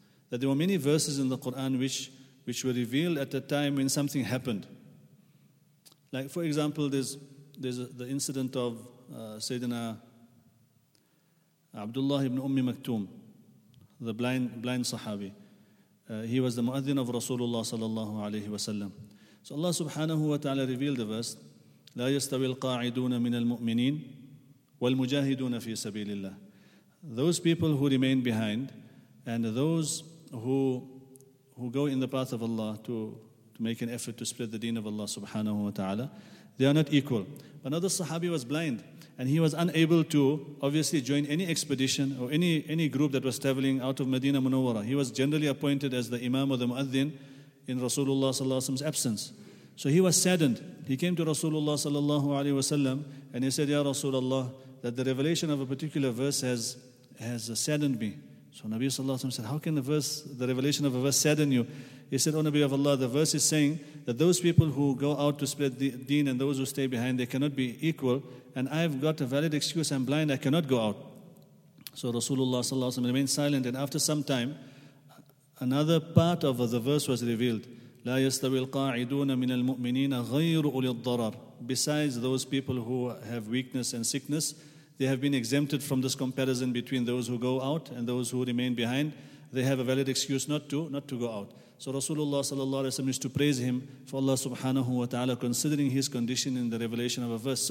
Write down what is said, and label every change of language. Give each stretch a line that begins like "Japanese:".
English: That there were many verses in the Quran which were revealed at a time when something happened. Like, for example, there's the incident of Sayyidina Abdullah ibn Ummi Maktoum, the blind Sahabi. He was the Muaddin of Rasulullah sallallahu alayhi wa sallam. So Allah subhanahu wa ta'ala revealed the verse,
Arabic: لا يستوي القاعدون من المؤمنين والمجاهدون في سبيل الله.
English: Those people who remain behind and those who go in the path of Allah to make an effort to spread the deen of Allah subhanahu wa ta'ala, they are not equal. But another Sahabi was blind and he was unable to obviously join any expedition or any group that was traveling out of Medina Munawwara. He was generally appointed as the Imam or the Muaddin in Rasulullah sallallahu alaihi wasallam's absence. So he was saddened. He came to Rasulullah sallallahu alaihi wasallam and he said, Ya Rasulullah, that the revelation of a particular verse has saddened me. So Nabi sallallahu alaihi wasallam said, how can the revelation of a verse sadden you? He said, O Nabi of Allah, the verse is saying that those people who go out to spread the deen and those who stay behind, they cannot be equal. And I've got a valid excuse. I'm blind. I cannot go out. So Rasulullah sallallahu alaihi wasallam remained silent. And after some time, another part of the verse was revealed.
Arabic: لا يستوي القاعدون من المؤمنين غير أولي الضرر.
English: Besides those people who have weakness and sickness, they have been exempted from this comparison between those who go out and those who remain behind. They have a valid excuse not to go out. So Rasulullah sallallahu alaihi wasallam used to praise him for Allah subhanahu wa ta'ala considering his condition in the revelation of a verse.